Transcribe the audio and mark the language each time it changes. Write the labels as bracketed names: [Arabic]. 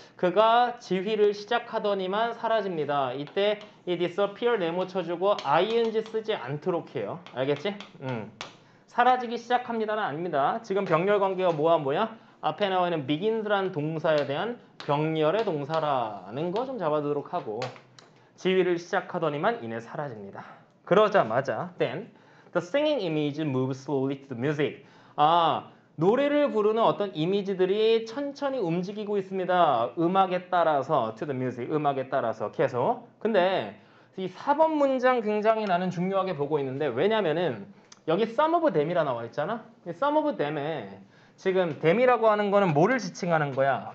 [Korean] 그가 지휘를 시작하더니만 사라집니다. 이때 이 disappear 네모 쳐주고 ing 쓰지 않도록 해요. 알겠지? 사라지기 시작합니다는 아닙니다. 지금 병렬 관계가 뭐야 뭐야? 앞에 나와 있는 begins라는 동사에 대한 병렬의 동사라는 거 좀 잡아두도록 하고 지휘를 시작하더니만 이내 사라집니다. 그러자마자 [English] then the singing image moves slowly to the music. [Korean] 아, 노래를 부르는 어떤 이미지들이 천천히 움직이고 있습니다. 음악에 따라서, [English] to the music, [Korean] 음악에 따라서 계속. 근데 이 4번 문장 굉장히 나는 중요하게 보고 있는데 왜냐면은 여기 [English] some of them [Korean] 이라 나와 있잖아. [English] some of them [Korean] 에 지금 them이라고 하는 거는 뭐를 지칭하는 거야?